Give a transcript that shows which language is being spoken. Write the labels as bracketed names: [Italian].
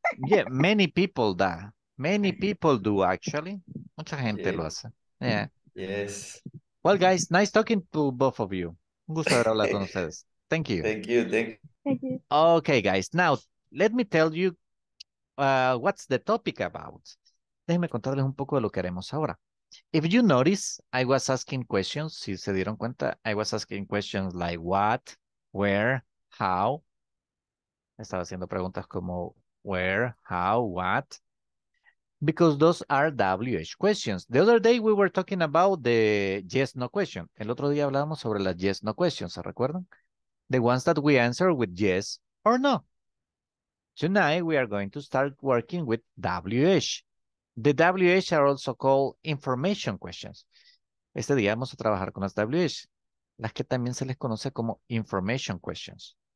[English] Yeah, many people do actually. [Spanish] Mucha gente lo hace. [English] Yeah. Yes. Well, guys, nice talking to both of you. [Spanish] Un gusto haber hablado con ustedes. [English] Thank you. Thank you. Thank you. Okay, guys. Now, let me tell you what's the topic about. [Spanish] Déjenme contarles un poco de lo que haremos ahora. [English] If you notice, I was asking questions. [Spanish] Si se dieron cuenta, [English] I was asking questions like what, where, how. [Spanish] Estaba haciendo preguntas como where, how, what. [English] Because those are WH questions. The other day we were talking about the yes, no question. [Spanish] El otro día hablábamos sobre las yes, no questions, ¿se recuerdan? [English] The ones that we answer with yes or no. Tonight we are going to start working with WH. The WH are also called information questions. [Spanish] Este día vamos a trabajar con las WH, las que también se les conoce como information questions.